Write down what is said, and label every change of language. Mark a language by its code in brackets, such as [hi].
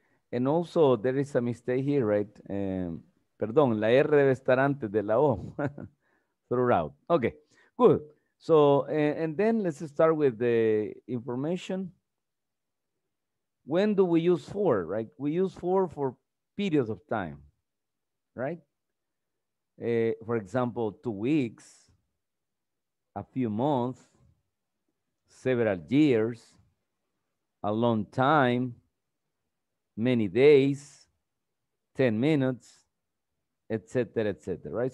[en] And also, there is a mistake here, right? [es] Perdón, la R debe estar antes de la O. [en] Throughout. Okay, good. So, and then let's start with the information. When do we use for, right? We use for periods of time, right? For example, 2 weeks, a few months, several years, a long time, many days, 10 minutes, etc., etc., right?